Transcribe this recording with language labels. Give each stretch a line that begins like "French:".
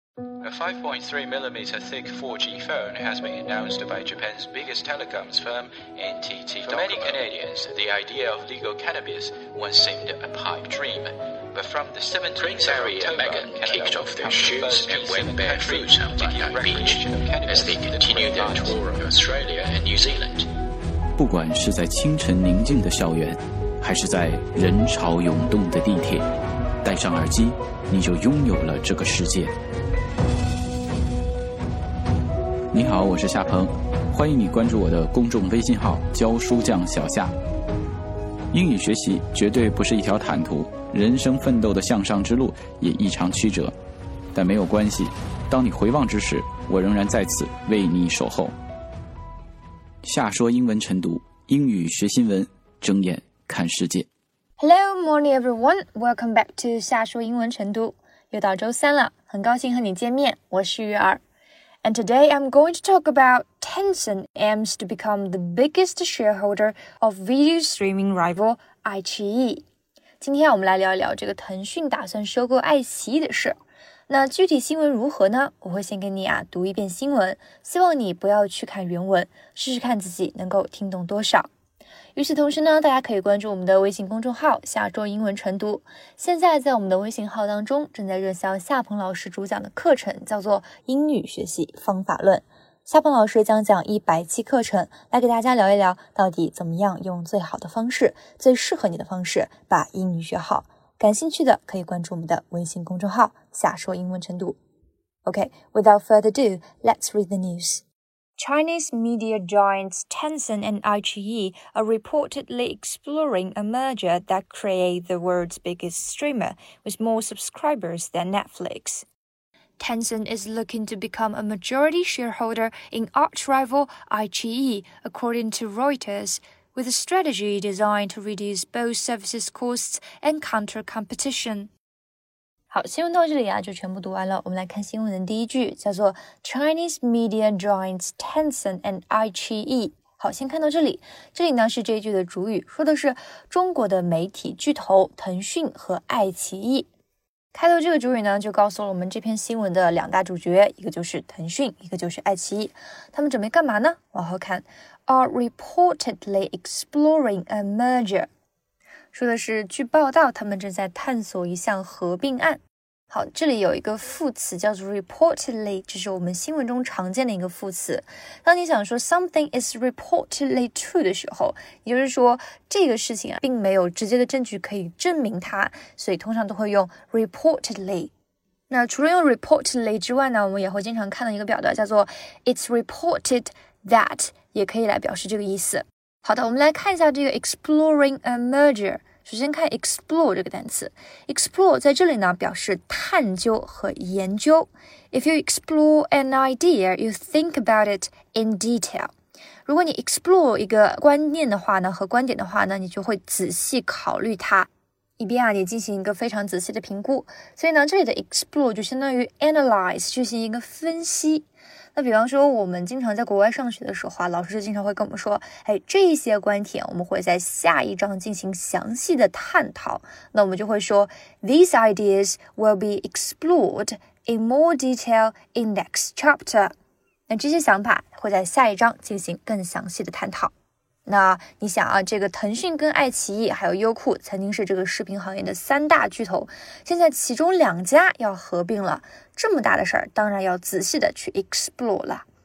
English: A 5.3mm thick 4G phone has been announced by Japan's biggest telecoms firm, NTT Docomo. For many Canadians, the idea of legal cannabis once seemed a pipe dream. But from the 17th of October, and Megan kicked off their shoes and went barefoot on Bondi Beach as they continued their tour of Australia and New Zealand.
Chinese: 不管是在清晨宁静的校园，还是在人潮涌动的地铁，戴上耳机，你就拥有了这个世界。你好，我是夏鹏，欢迎你关注我的公众微信号“教书匠小夏”。英语学习绝对不是一条坦途，人生奋斗的向上之路也异常曲折，但没有关系，当你回望之时，我仍然在此为你守候。夏说英文晨读，英语学新闻，睁眼看世界。
English: Hello, morning everyone. Welcome back to
Chinese: 夏说英文晨读。又到周三了，很高兴和你见面，我是鱼儿。
English: And today I'm going to talk about Tencent aims to become the biggest shareholder of video streaming rival 爱奇艺。
Chinese: 今天我们来聊一聊这个腾讯打算收购爱奇艺的事。那具体新闻如何呢？我会先给你啊读一遍新闻，希望你不要去看原文，试试看自己能够听懂多少。与此同时呢，大家可以关注我们的微信公众号夏说英文晨读。现在在我们的微信号当中正在热销夏鹏老师主讲的课程，叫做英语学习方法论。夏鹏老师将讲100期课程，来给大家聊一聊到底怎么样用最好的方式，最适合你的方式把英语学好。感兴趣的可以关注我们的微信公众号夏说英文晨读。
English: OK, without further ado, let's read the news. Chinese media giants Tencent and iQIYI are reportedly exploring a merger that create the world's biggest streamer with more subscribers than Netflix. Tencent is looking to become a majority shareholder in arch-rival iQIYI, according to Reuters,with a strategy designed to reduce both services costs and counter competition.
Chinese: 好，新闻到这里啊，就全部读完了。我们来看新闻的第一句，叫做
English: Chinese media giants Tencent and iQIYI。
Chinese: 好，先看到这里，这里呢是这一句的主语，说的是中国的媒体巨头腾讯和爱奇艺。开头这个主语呢，就告诉了我们这篇新闻的两大主角，一个就是腾讯，一个就是爱奇艺。他们准备干嘛呢？往后看。
English: Are reportedly exploring a merger.
Chinese: 说的是据报道他们正在探索一项合并案。好，这里有一个副词叫做 reportedly, 这是我们新闻中常见的一个副词。当你想说
English: something is reportedly true
Chinese: 的时候，也就是说这个事情啊并没有直接的证据可以证明它，所以通常都会用 reportedly。那除了用 reportedly 之外呢，我们也会经常看到一个表达叫做
English: it's reported that,
Chinese: 也可以来表示这个意思。好的，我们来看一下这个
English: exploring a merger。
Chinese: 首先看 explore 这个单词。 explore 在这里呢表示探究和研究。
English: If you explore an idea, you think about it in detail.
Chinese: 如果你 explore 一个观念的话呢和观点的话呢，你就会仔细考虑它。以便啊你进行一个非常仔细的评估。所以呢这里的 explore 就相当于 analyze, 进行一个分析。那比方说我们经常在国外上学的时候啊，老师经常会跟我们说，哎，这些观点我们会在下一章进行详细的探讨。
English: 那我们就会说 These ideas will be explored in more detail in next chapter.
Chinese: 那这些想法会在下一章进行更详细的探讨。那你想啊，这个腾讯跟爱奇艺还有优酷曾经是这个视频行业的三大巨头，现在其中两家要合并了，这么大的事儿，当然要仔细的去 explore 了。